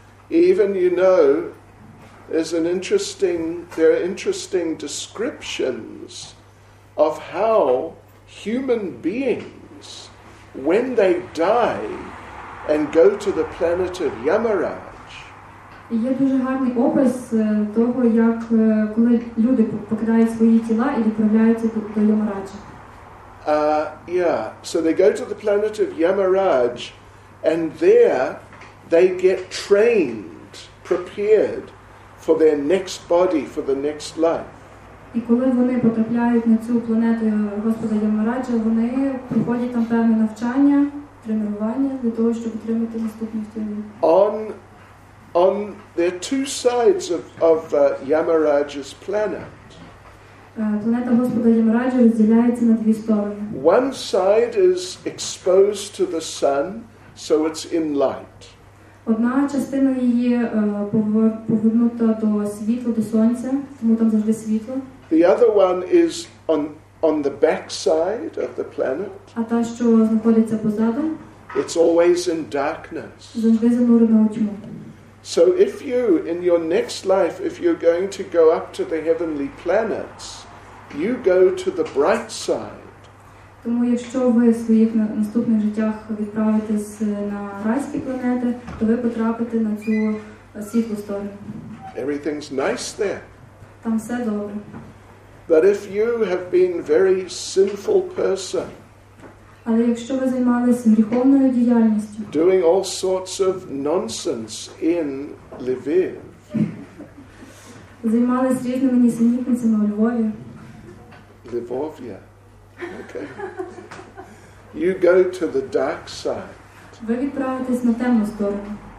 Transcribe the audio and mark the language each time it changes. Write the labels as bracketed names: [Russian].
[English] Even, you know, there are interesting descriptions of how human beings, when they die and go to the planet of Yamaraj. [Ukrainian] Є дуже гарний опис того, як коли люди покидають свої тіла і відправляються до Ямараджа. [English] So they go to the planet of Yamaraj, and there they get trained, prepared for their next body, for the next life. [Ukrainian] І коли вони потрапляють на цю планету Господа Ямараджа, вони проходять там певне навчання, тренування для того, щоб отримати наступне тіло. [English] On there are two sides of Yamaraj's planet. [Ukrainian] Планета Господа Ямараджа розділяється на дві сторони. [English] One side is exposed to the sun, so it's in light. [Ukrainian] Одна частина її повернута до світла, до сонця, тому там завжди світло. [English] The other one is on the back side of the planet. [Ukrainian] А та, що знаходиться позаду? [English] It's always in darkness. [Ukrainian] Завжди занурена у тьму. [English] So if you, in your next life, if you're going to go up to the heavenly planets, you go to the bright side. [Ukrainian] Тому якщо ви в своїх наступних життях відправитесь на райські планети, то ви потрапите на цю світлу сторону. [English] Everything's nice there. [Ukrainian] Там все добре. [English] But if you have been very sinful person, [Ukrainian] але якщо ви займалися гріховною діяльністю, [English] doing all sorts of nonsense in Lviv, [Ukrainian] займались різними нісенітницями у Львові, [English] Livovia, okay, you go to the dark side. [Ukrainian] Ви відправитесь на темну сторону.